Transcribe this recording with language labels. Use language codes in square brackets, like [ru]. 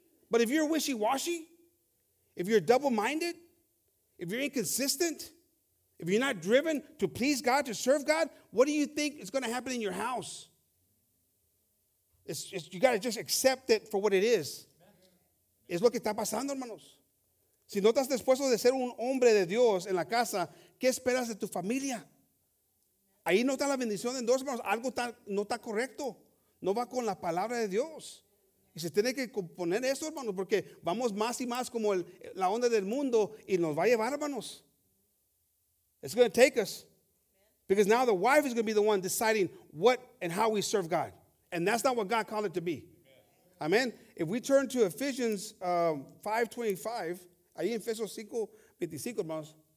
[en] But if you're wishy-washy, if you're double-minded, if you're inconsistent, if you're not driven to please God, to serve God, what do you think is going to happen in your house? You got to just accept it for what it is. [es] Es lo que está pasando, hermanos. Si no estás dispuesto de ser un hombre de Dios en la casa, ¿qué esperas de tu familia? Ahí no está la bendición en Dios, hermanos. Algo no está correcto. No va con la palabra de Dios. Y se tiene que componer eso, hermanos, porque vamos más y más como la onda del mundo y nos va a llevar, hermanos. [en] It's going to take us. Because now the wife is going to be the one deciding what and how we serve God. And that's not what God called it to be. Amen. If we turn to Ephesians 5:25, [es] ahí en Efesios 5:25, hermanos.